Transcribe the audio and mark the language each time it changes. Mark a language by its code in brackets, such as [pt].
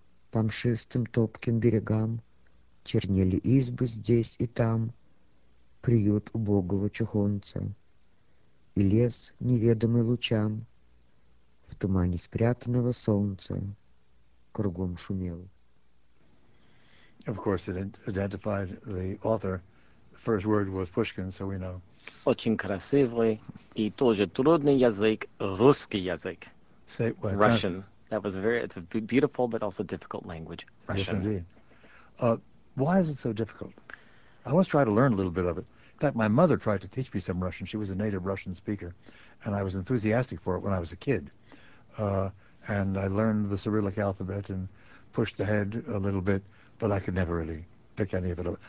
[ru] По мшистым топким берегам чернели избы здесь и там, приют убогого чухонца. И лес, неведомый лучам, в тумане спрятанного солнца, кругом шумел. [en] Of course, it identified the author. The first word was Pushkin, so we know. [ru] Очень красивый и тоже трудный язык, русский язык. [en] Say, well, Russian. That was very, it's a beautiful but also difficult language, Russian. Yes, indeed. Why is it so difficult? I once tried to learn a little bit of it. In fact, my mother tried to teach me some Russian. She was a native Russian speaker, and I was enthusiastic for it when I was a kid. And I learned the Cyrillic alphabet and pushed ahead a little bit, but I could never really pick any of it up.